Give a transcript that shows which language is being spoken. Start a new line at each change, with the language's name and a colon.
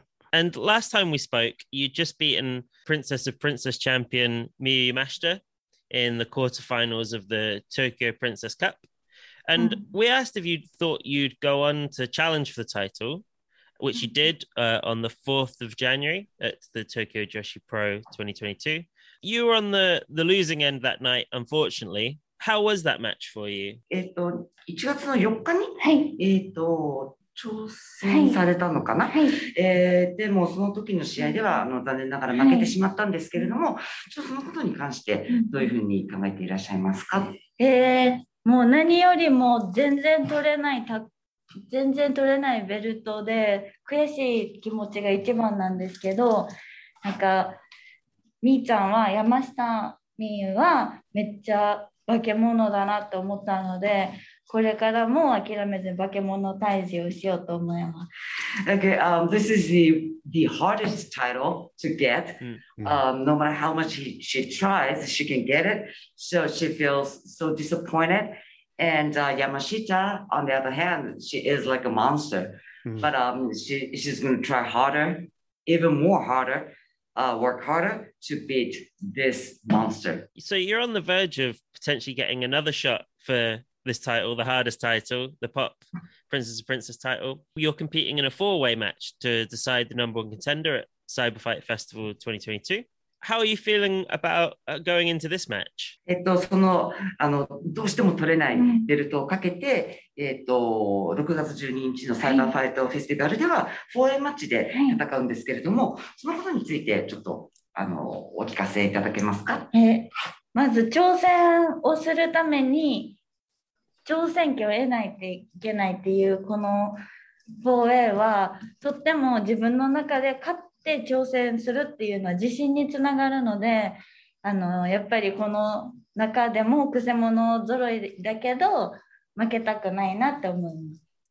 English: And last time we spoke, you'd just beaten Princess of Princess champion Miyu Yamashita in the quarterfinals of the Tokyo Princess Cup. And we asked if you thought you'd go on to challenge for the title, which you did on the 4th of January at the Tokyo Joshi Pro 2022. You were on the losing end that night, unfortunately. How was that match for you?
Japanese: 1月の4日に、はい、挑戦されたのかな、はいはい、でもその時の試合では残念ながら負けてしまったんですけれども、はい、ちょっとそのことに関してどういうふうに考えていらっしゃいますか？もう何よりも全然取れないベルトで悔しい気持ちが一番なんですけど、なんかみーちゃんは、山下みゆはめっちゃ化け物だなと思ったので、これからも諦めず化け物退治をしようと思います。
English: Okay, this is the hardest title to get. No matter how much she tries, she can get it. So she feels so disappointed. And Yamashita, on the other hand, she is like a monster. Mm-hmm. But she's going to try harder, even more harder, work harder to beat this monster. So you're on the verge of potentially getting another shot for this title, the hardest title, the pop Princess of Princess title. You're competing in a four-way match to decide the number one contender at Cyber Fight Festival 2022. How are you feeling about going into this match?
Japanese: どうしても取れないベルトをかけて、6月12日のサイバーファイトフェスティバルでは4Wayマッチで戦うんですけれども、そのことについてちょっとお聞かせいただけますか？まず挑戦をするために挑戦権を得ないといけないっていう、この 4Wayはとっても自分の中で勝ってで挑戦するっていうのは自信につながるので、やっぱりこの中でもくせ者ぞろいだけど負けたくないなって思います。